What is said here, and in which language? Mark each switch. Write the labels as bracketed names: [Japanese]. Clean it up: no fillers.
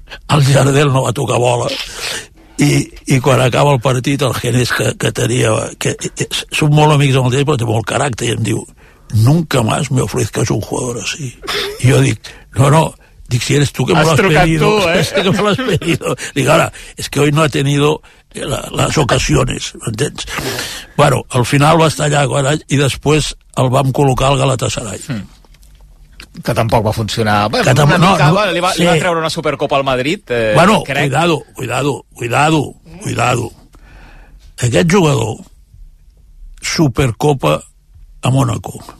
[Catalan] El Jardel no va tocar bola, i quan acaba el partit, el Genés que tenia, que som molt amics amb el Genés, però té molt caràcter, i em diu, [Spanish] nunca más me ofrezcas un jugador así. [Catalan] I jo dic, no, dic, [Spanish] si eres tú que me lo has pedido. [Catalan] Has trucat tú, eh? Dic, ara, [Spanish] es que hoy no ha tenido las ocasiones, ¿entens? [Catalan] Bueno, al final va estar allà, i després el vam col·locar al Galatasaray. Que tampoc va funcionar. Que tampoc, Li va treure una Supercopa al Madrid. Bueno, crec. cuidado. Aquest jugador, Supercopa a Mónaco.